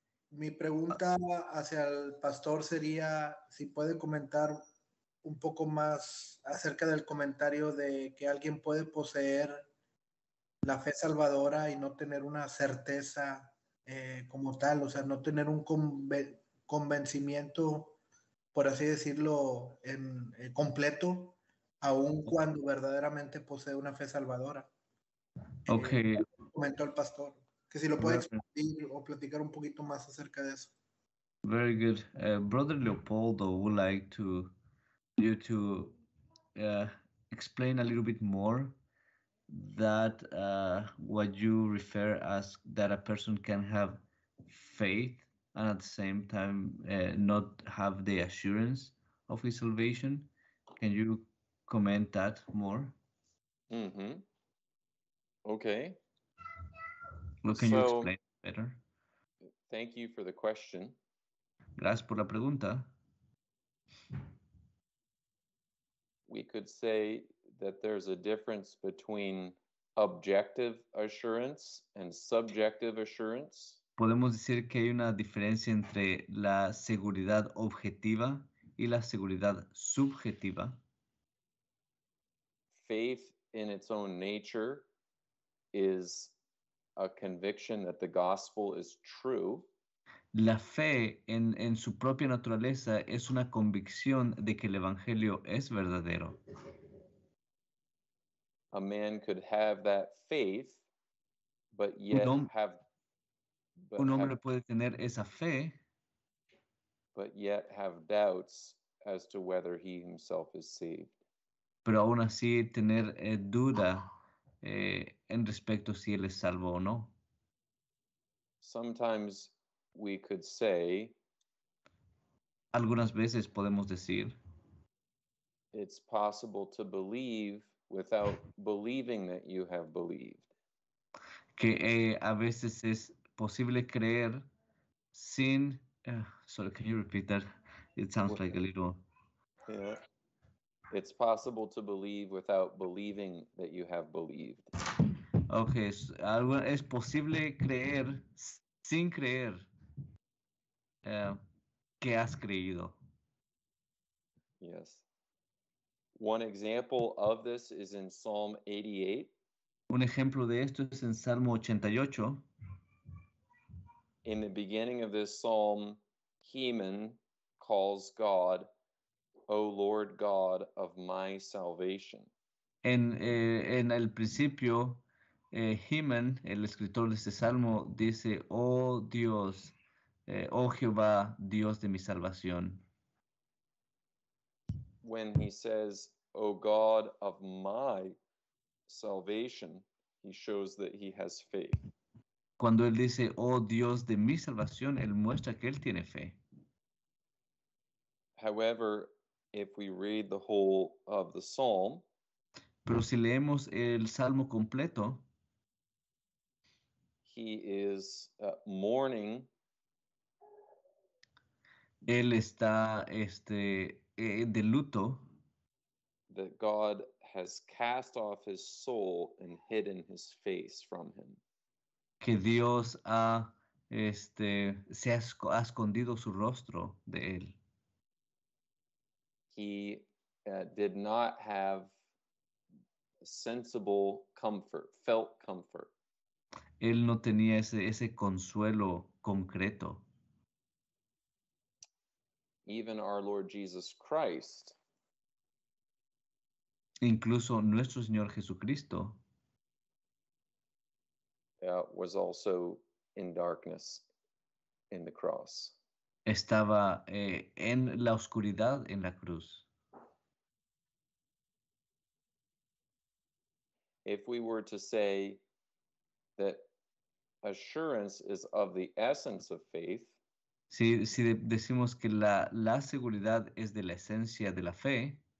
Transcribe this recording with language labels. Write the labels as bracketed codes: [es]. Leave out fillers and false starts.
[es] Mi pregunta hacia el pastor sería si puede comentar un poco más acerca del comentario de que alguien puede poseer la fe salvadora y no tener una certeza como tal, o sea, no tener un convencimiento por así decirlo, en completo, aun cuando verdaderamente posee una fe salvadora. Ok. Comentó el pastor, que si lo puede expandir o platicar un poquito más acerca de eso. [en] Very good. Brother Leopoldo would like to you to explain a little bit more that what you refer as that a person can have faith and at the same time not have the assurance of his salvation. Can you comment that more? Mm-hmm. Okay. Well, can you explain better? Thank you for the question. [es] Gracias por la pregunta. [en] We could say that there's a difference between objective assurance and subjective assurance. [es] Podemos decir que hay una diferencia entre la seguridad objetiva y la seguridad subjetiva. [en] Faith in its own nature is a conviction that the gospel is true. [es] La fe en su propia naturaleza es una convicción de que el evangelio es verdadero. [en] A man could have that faith, but yet [es] un hombre puede tener esa fe, [en] but yet have doubts as to whether he himself is saved. [es] Pero aún así tener duda en respecto a si él es salvo o no. [en] Sometimes we could say, [es] algunas veces podemos decir, [en] it's possible to believe without believing that you have believed. [es] Que a veces es posible creer sin, [en] sorry, can you repeat that? It sounds like a little. Yeah. It's possible to believe without believing that you have believed. [es] Okay, so, es posible creer sin creer que has creído. [en] Yes. One example of this is in Psalm 88. [es] Un ejemplo de esto es en Salmo 88. [en] In the beginning of this psalm, Heman calls God, O Lord God of my salvation. [es] En el principio, Heman, el escritor de este salmo, dice, Oh Dios, oh Jehová, Dios de mi salvación. [en] When he says, O God of my salvation, he shows that he has faith. [es] Cuando él dice, Oh Dios de mi salvación, él muestra que él tiene fe. [en] However, if we read the whole of the psalm, [es] pero si leemos el salmo completo, [en] he is mourning. [es] Él está de luto. [en] That God has cast off his soul and hidden his face from him. [es] Que Dios ha ha escondido su rostro de él. [en] He did not have sensible comfort, felt comfort. [es] Él no tenía ese consuelo concreto. [en] Even our Lord Jesus Christ. [es] Incluso nuestro Señor Jesucristo. [en] Was also in darkness in the cross. [es] Estaba en la oscuridad en la cruz. [en] If we were to say that assurance is of the essence of faith. [es] Si decimos que la seguridad es de la esencia de la fe.